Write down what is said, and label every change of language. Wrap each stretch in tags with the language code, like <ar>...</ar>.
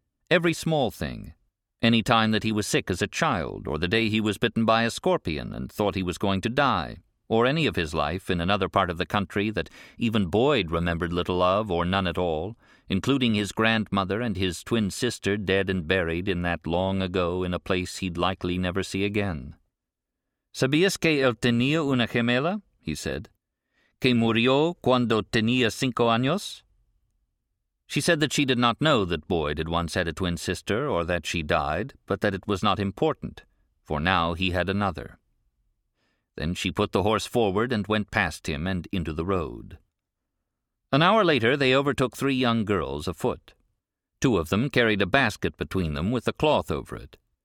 <en>Every small thing, any time that he was sick as a child, or the day he was bitten by a scorpion and thought he was going to die, or any of his life in another part of the country that even Boyd remembered little of or none at all, including his grandmother and his twin sister dead and buried in that long ago in a place he'd likely never see again.</en> <es>¿Sabías que él tenía una gemela?</es> <en>He said.</en> <es>¿Que murió cuando tenía 5 años?</es> <en>She said that she did not know that Boyd had once had a twin sister or that she died, but that it was not important, for now he had another. Then she put the horse forward and went past him and into the road. An hour later they overtook 3 young girls afoot. 2 of them carried a basket between them with a cloth over it.</en>